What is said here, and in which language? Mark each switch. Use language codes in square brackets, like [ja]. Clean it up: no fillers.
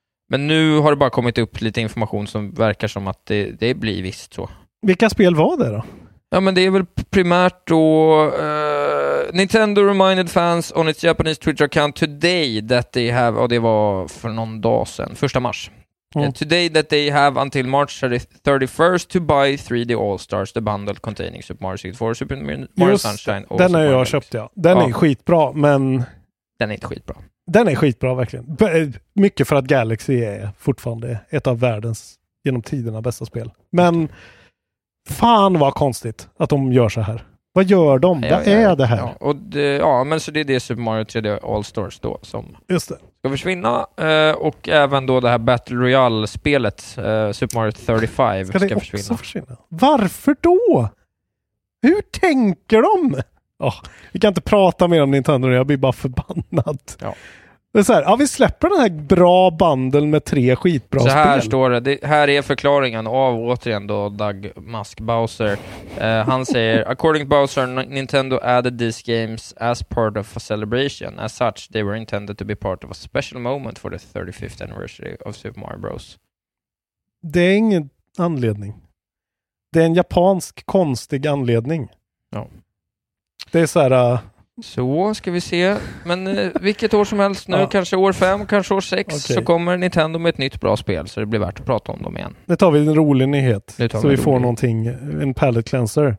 [sv] Men nu har det bara kommit upp lite information som verkar som att det blir visst så. Vilka spel var det då? Ja, men det är väl primärt då [en] Nintendo reminded fans on its Japanese Twitter account today that they have, [sv] och det var för någon dag sedan, 1 mars. [en] Today that they have until March 31st to buy 3D All-Stars, the bundle containing Super Mario 64, Super Mario Sunshine. [sv] Den har jag köpt, ja. Den är skitbra, men... Den är inte skitbra. Den är skitbra, verkligen. Mycket för att Galaxy är fortfarande ett av världens genom tiderna bästa spel. Men fan vad konstigt att de gör så här. Vad gör de? Vad är det här? Ja, och det, ja, men så det är det Super Mario 3D All-Stars då som just det. Ska försvinna. Och även då det här Battle Royale-spelet Super Mario 35 ska det försvinna. Också försvinna. Varför då? Hur tänker de? Oh, vi kan inte prata mer om Nintendo, jag blir bara förbannad. Ja. Det är så här, ja, vi släpper den här bra bundeln med tre skitbra spel. Så här spel. Står det. Här är förklaringen av återigen då Doug Musk Bowser. Han säger [en] according to Bowser, Nintendo added these games as part of a celebration. As such, they were intended to be part of a special moment for the 35th anniversary of Super Mario Bros. [sv] Det är ingen anledning. Det är en japansk konstig anledning. Ja. Det är så här... Så ska vi se. Men vilket år som helst nu, kanske år 5, kanske år 6, okay. Så kommer Nintendo med ett nytt bra spel, så det blir värt att prata om dem igen. Nu tar vi en rolig nyhet, så vi får någonting, en palette cleanser.